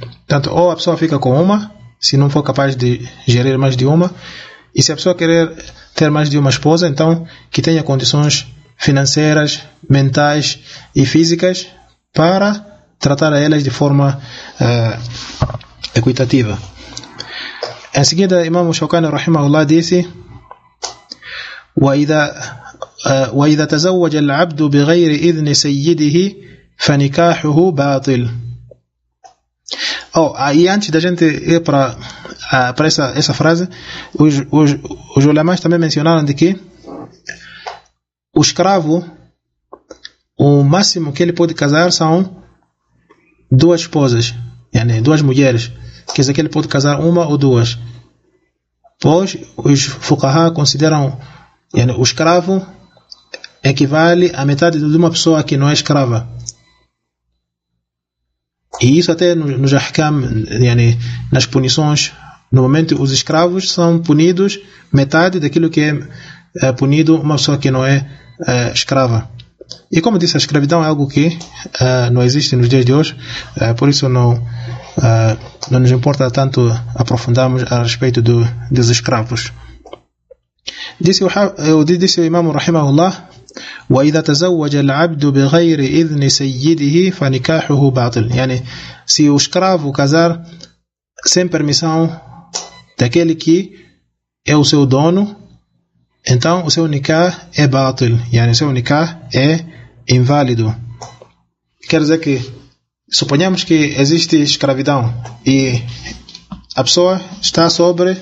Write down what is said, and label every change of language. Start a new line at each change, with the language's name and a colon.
Portuguese: Tanto ou a pessoa fica com uma, se não for capaz de gerir mais de uma, e se a pessoa querer ter mais de uma esposa, então que tenha condições financeiras, mentais e físicas para tratar a elas de forma equitativa. Em seguida, Imam Shawkani rahimahullah disse:
Arabic: "وإذا تزوج العبد بغير إذن سيده فنكاحه باطل."
Portuguese: Aí antes da gente ir para essa frase, os ulamas também mencionaram de que o escravo, o máximo que ele pode casar são duas esposas, yani duas mulheres. Quer dizer que ele pode casar uma ou duas. Pois os fuqaha consideram yani, o escravo equivale à metade de uma pessoa que não é escrava. E isso até nos ahkam, yani, nas punições. Normalmente os escravos são punidos metade daquilo que é punido uma pessoa que não é escrava. E como disse, a escravidão é algo que não existe nos dias de hoje, por isso não nos importa tanto aprofundarmos a respeito dos escravos. Disse o Imam Rahimahullah:
Arabic: "وَإِذَا تَزَوَّجَ الْعَبْدُ بِغَيْرِ إِذْنِ سَيِّدِهِ فَنِكَاحُهُ بَاطِلٌ."
Portuguese: Yani, se o escravo casar sem permissão daquele que é o seu dono, então o seu nikah é batil, yani, o seu nikah é inválido. Quer dizer que, suponhamos que existe escravidão e a pessoa está sobre